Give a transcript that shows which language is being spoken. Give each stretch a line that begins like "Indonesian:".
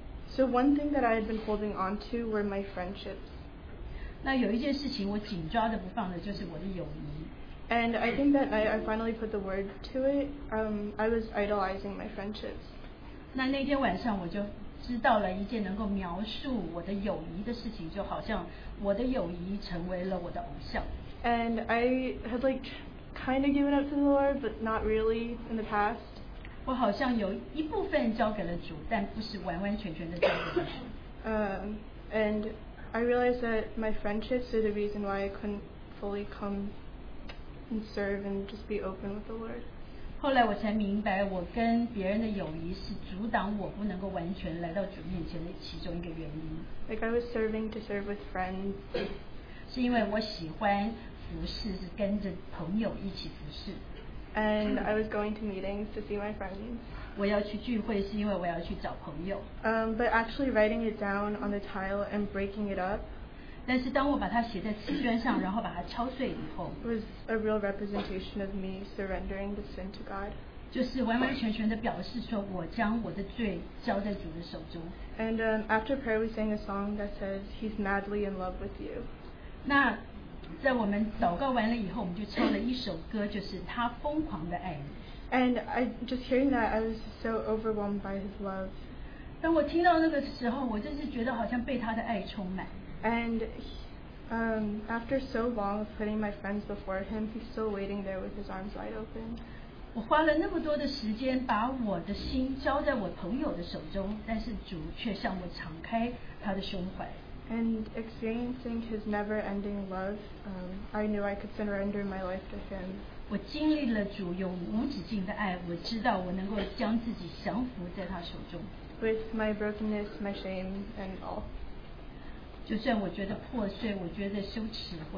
English: So one thing that I had been holding on to were my friendships.
Chinese: 那有一件事情我紧抓着不放的就是我的友谊。
English: And I think that night I finally put the word to it. I was idolizing my friendships.
Chinese: 那天晚上我就知道了一件能够描述我的友谊的事情，就好像我的友谊成为了我的偶像。
English: And I had like kind of given up to the Lord, but not really in the past.
Chinese: 我好像有一部分交给了主，但不是完完全全的交给了主。
English: And I realized that my friendships are the reason why I couldn't fully come. And serve and just be open with the Lord.
Chinese: 后来我才明白，我跟别人的友谊是阻挡我不能够完全来到主面前的其中一个原因。
English: Like I was serving to serve with friends.
Chinese: 是因为我喜欢服侍，是跟着朋友一起服侍。
English: And I was going to meetings to see my friends.
Chinese: 我要去聚会是因为我要去找朋友。
English: But actually writing it down on the tile and breaking it up.
Chinese: 但是当我把它写在瓷砖上，然后把它敲碎以后
English: ，was a real representation of me surrendering the sin to God.
Chinese: 就是完完全全的表示说我将我的罪交在主的手中。
English: And after prayer, we sang a song that says He's madly in love with you.
Chinese: 那在我们祷告完了以后，我们就唱了一首歌，就是他疯狂的爱你。
English: And I just hearing that, I was so overwhelmed by His love.
Chinese: 当我听到那个时候，我真是觉得好像被他的爱充满。
English: And after so long of putting my friends before him, he's still waiting there with his arms wide open.
Chinese: 我花了那么多的时间把我的心交在我朋友的手中，但是主却向我敞开他的胸怀。
English: And experiencing his never-ending love, I knew I could surrender my life to him.
Chinese: 我经历了主永无止境的爱, 我知道我能够将自己降服在他手中。
English: With my brokenness, my shame, and all.
Chinese: 就算我觉得破碎, 我觉得羞耻,